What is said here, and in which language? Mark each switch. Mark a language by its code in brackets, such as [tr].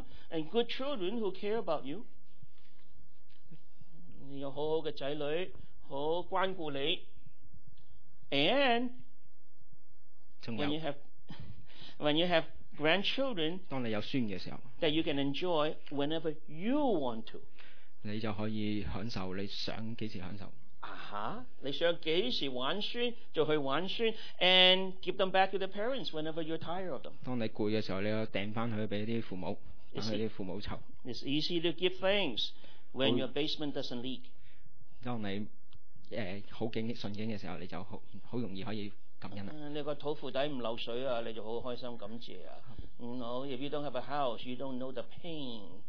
[en] And good children who care about you， [yue] 你有好好嘅仔女，好关顾你。 [en] And when you have grandchildren， [yue] 当你有孙嘅时候 [en] ，that you can enjoy whenever you want to。 [yue] 你就可以享受你想几时享受啊哈！你想几时玩孙就去玩孙 [en] ，and give them back to the parents whenever you're tired of them。 [yue] 当你攰嘅时候，你又掟翻去俾啲父母，等佢啲父母凑。 It's easy to give thanks when your basement doesn't leak。当你好景顺境嘅时候，你就好容易可以感恩啦。你个土库底唔漏水啊，你就好开心感谢啊。 [en] No, if you don't have a house, you don't know the pain.